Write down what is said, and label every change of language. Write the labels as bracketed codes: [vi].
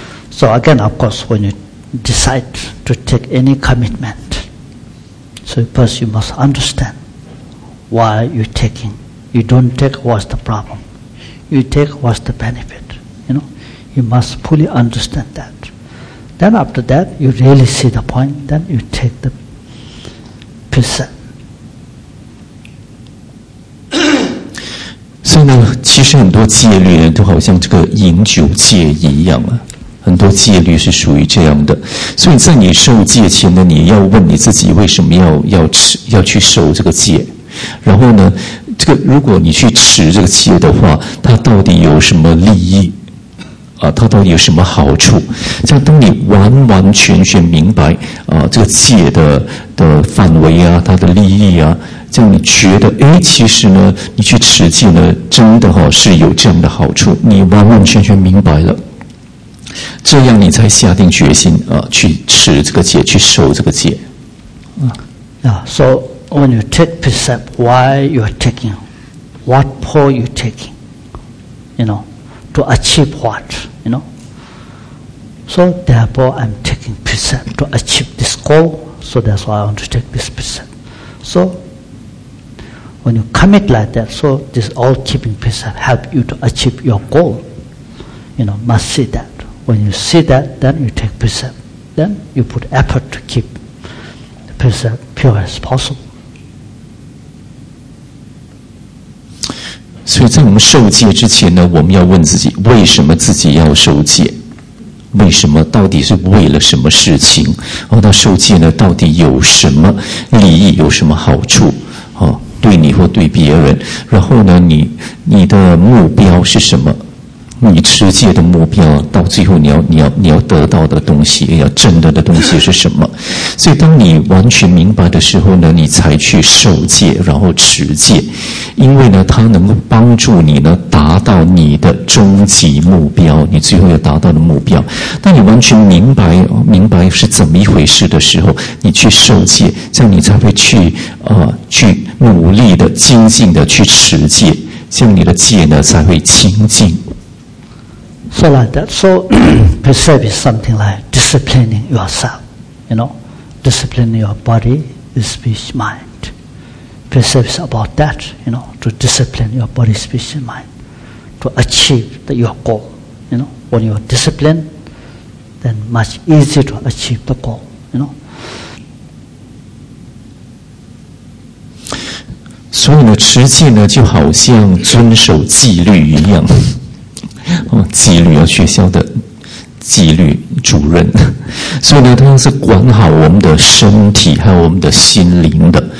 [en] So again, of course, when you decide to take any commitment, so first you must understand why you're taking. You don't take what's the problem. You take what's the benefit. You know, you must fully understand that. Then after that, you really see the point, then you take the percent. [zh] 所以呢，其实很多戒律呢，都好像这个饮酒戒一样啊。很多戒律是属于这样的，所以在你受戒前呢，你要问你自己为什么要去受这个戒，然后呢，这个如果你去持这个戒的话，它到底有什么利益啊？它到底有什么好处？像当你完完全全明白啊，这个戒的范围啊，它的利益啊，这样你觉得哎，其实呢，你去持戒呢，真的哈、哦、是有这样的好处，你完完全全明白了。这样你才下定决心去持这个戒，去守这个戒。 [en] Yeah, so when you take precept, why you are taking, what for you taking, you know, to achieve what, you know. So therefore, I'm taking precept to achieve this goal. So that's why I want to take this precept. So when you commit like that, so this all keeping precept help you to achieve your goal. You know, must see that. When you see that, then you take precept. Then you put effort to keep the precept pure as possible. [zh] 所以在我们受戒之前呢，我们要问自己，为什么自己要受戒？为什么？到底是为了什么事情？哦，那受戒呢，到底有什么利益？有什么好处？哦，对你或对别人？然后呢，你的目标是什么？你持戒的目标，到最后你要得到的东西，要证得的东西是什么？所以，当你完全明白的时候呢，你才去受戒，然后持戒，因为呢，它能够帮助你呢达到你的终极目标，你最后要达到的目标。当你完全明白是怎么一回事的时候，你去受戒，这样你才会去努力的精进的去持戒，这样你的戒呢才会清净。 [en] So like that. So, precept is something like disciplining yourself, you know, disciplining your body, speech, mind. Precept is about that, you know, to discipline your body, speech, and mind, to achieve your goal, you know. When you are disciplined, then much easier to achieve the goal, you know. [zh] 所以呢，持戒呢，就好像遵守纪律一样。哦，纪律啊，学校的纪律主任，所以呢，他是管好我们的身体还有我们的心灵的。